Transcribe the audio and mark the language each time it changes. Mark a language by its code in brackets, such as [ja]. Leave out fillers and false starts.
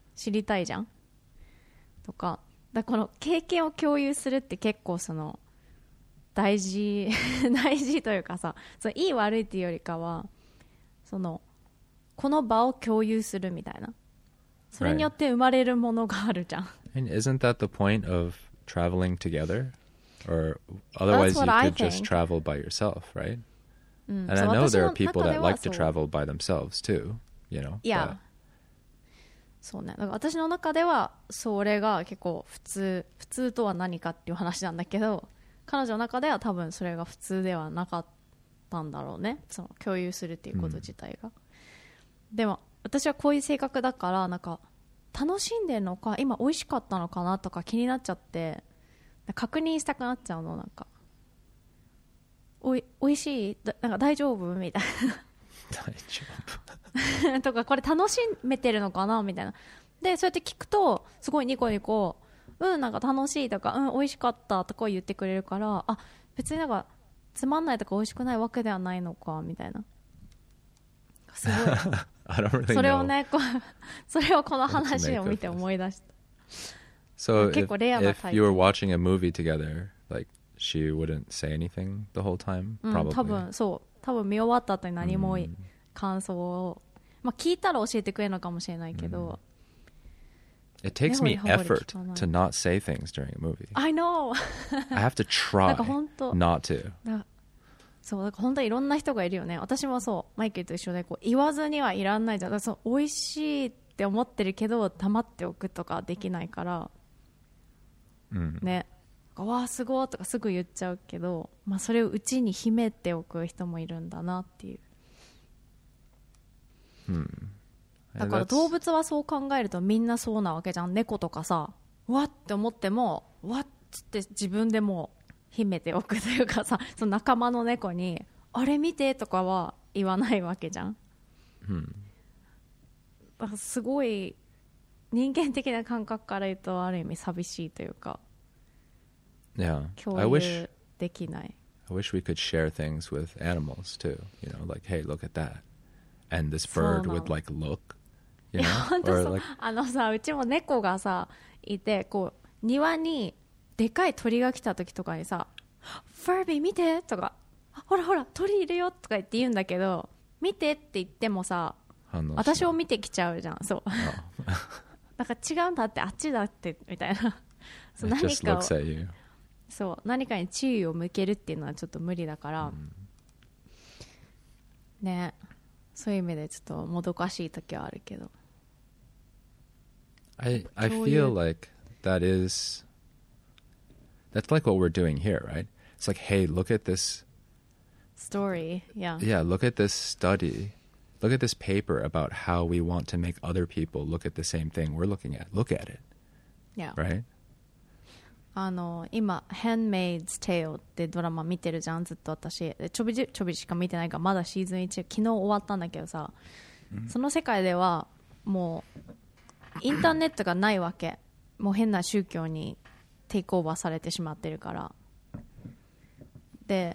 [ja] 知りたいじゃんとか、だからこの経験を共有するって結構その大事大事というかさ、そのいい悪いっていうよりかはそのこの場を共有するみたいな、それによって生まれるものがあるじゃん、 [en] right. And isn't that the point of traveling together? Or otherwise you could just travel by yourself, right?、 [ja] うん、 [en] And I know there are people that like to travel by themselves too, you know? Yeah、but. [ja] そうね、だから私の中ではそれが結構普通、普通とは何かっていう話なんだけど、彼女の中では多分それが普通ではなかったんだろうね、その共有するっていうこと自体が、うん、でも私はこういう性格だから、なんか楽しんでるのか今美味しかったのかなとか気になっちゃって、確認したくなっちゃうの、なんか美味しい、なんか大丈夫みたいな、大丈夫とか、これ楽しめてるのかなみたいな。でそうやって聞くとすごいニコニコ、うん、なんか楽しいとか、うん、美味しかったとか言ってくれるから、あ、別になんかつまんないとか美味しくないわけではないのかみたいな、すごい [en] I don't really、 [ja] それをね、それをこの話を見て思い出した。 [en] So [ja] 結構レアな [en] if you were watching a movie together, like she wouldn't say anything the whole time probably、 [ja] うん、多分そう、多分見終わった後に何も多い、mm. 感想を、まあ、聞いたら教えてくれるのかもしれないけど、 [en] mm. It takes me effort to not say things during a movie. I know. I have to try not to. [ja] そう、だから本当にいろんな人がいるよね。私もそう、マイケルと一緒でこう言わずにはいらんないじゃん。だからその美味しいって思ってるけど黙っておくとかできないから、 mm. ね、かわーすごーとかすぐ言っちゃうけど、まあ、それをうちに秘めておく人もいるんだなっていう。 Hmm. だから動物はそう考えるとみんなそうなわけじゃん。猫とかさ、わって思ってもわっつって自分でも秘めておくというかさ、その仲間の猫にあれ見てとかは言わないわけじゃん、 hmm. だからすごい人間的な感覚から言うとある意味寂しいというか、 [en] yeah. [ja] 共有できない。 [en] I wish we could share things with animals too, you know, like hey look at thatAnd this bird would like look, you know? Yeah, or like, [ja] あのさ、うちも猫がさいて、こう庭にでかい鳥が来た時とかにさ、ファービー見てとか、ほらほら鳥いるよとか言って言うんだけど、見てって言ってもさ、私を見てきちゃうじゃん。そう。なんか違うんだって、あっちだってみたいな。そう、何かを、そう、何かに注意を向けるっていうのはちょっと無理だから、ね。そういう意味でちょっともどかしい時はあるけど、 [en] I feel like that is that's like what we're doing here, right? It's like, hey, look at this story, yeah. Yeah, look at this study, look at this paper about how we want to make other people look at the same thing we're looking at. Look at it, yeah. Right? [ja] あの今 Handmaid's Tale ってドラマ見てるじゃん、ずっと私ちょびしか見てないから、まだシーズン1昨日終わったんだけどさ、うん、その世界ではもうインターネットがないわけ、もう変な宗教にテイクオーバーされてしまってるから、で、